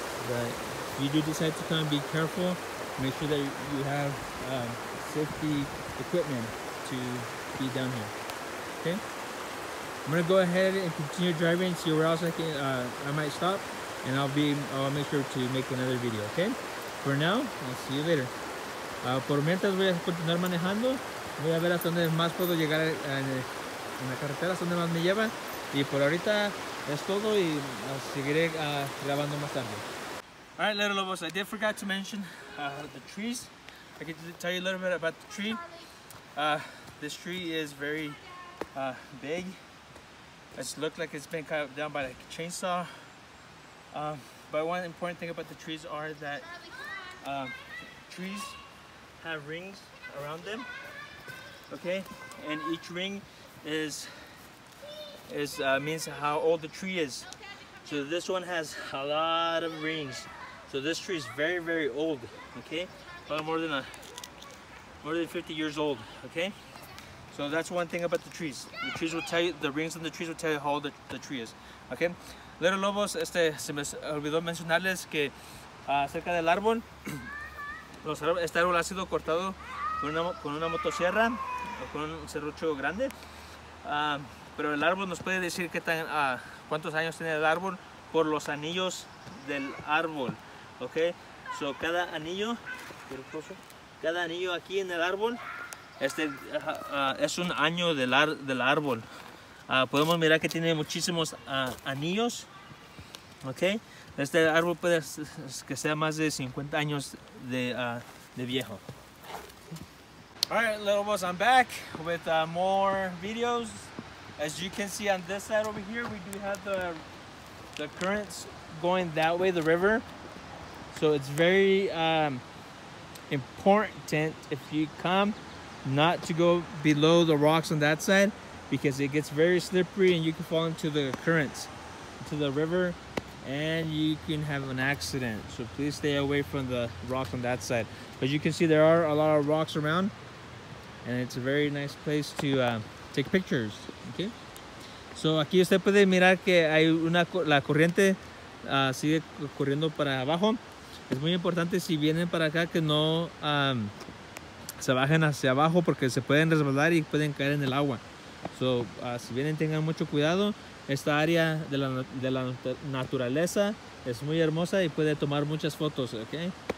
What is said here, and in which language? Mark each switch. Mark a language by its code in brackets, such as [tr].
[en] But if you do decide to come, be careful. Make sure that you have safety equipment to be down here, okay? I'm gonna go ahead and continue driving, see where else I might stop, and I'll make sure to make another video, okay? For now, I'll see you later. [es] Por mientras voy a continuar manejando, voy a ver hasta dónde más puedo llegar en la carretera, hasta dónde más me lleva. Y por ahorita es todo y seguiré grabando más tarde. [en] All right, little lobos, I did forgot to mention the trees. I get to tell you a little bit about the tree. This tree is very big. It looks like it's been cut down by a chainsaw. But one important thing about the trees are that trees have rings around them. Okay, and each ring means how old the tree is. So this one has a lot of rings. So this tree is very, very old. Okay, probably more than 50 years old. Okay, so that's one thing about the trees. The trees will tell you, the rings on the trees will tell you how old the tree is. Okay, little lobos, [es] se me olvidó mencionarles que acerca del árbol, este árbol ha sido cortado con una motosierra. Con un serrucho grande, pero el árbol nos puede decir qué tan cuántos años tiene el árbol por los anillos del árbol, ok. So, cada anillo aquí en el árbol es un año del árbol. Podemos mirar que tiene muchísimos anillos, ok. Este árbol puede que sea más de 50 años de viejo. [en] All right, little boys, I'm back with more videos. As you can see on this side over here, we do have the currents going that way, the river. So it's very important if you come not to go below the rocks on that side, because it gets very slippery and you can fall into the currents, into the river, and you can have an accident. So please stay away from the rocks on that side. But you can see there are a lot of rocks around. And it's a very nice place to take pictures, okay? [es] So aquí usted puede mirar que hay la corriente sigue corriendo para abajo. Es muy importante si vienen para acá que no se bajen hacia abajo porque se pueden resbalar y pueden caer en el agua. So, si vienen, tengan mucho cuidado. Esta área de la naturaleza es muy hermosa y puede tomar muchas fotos, okay?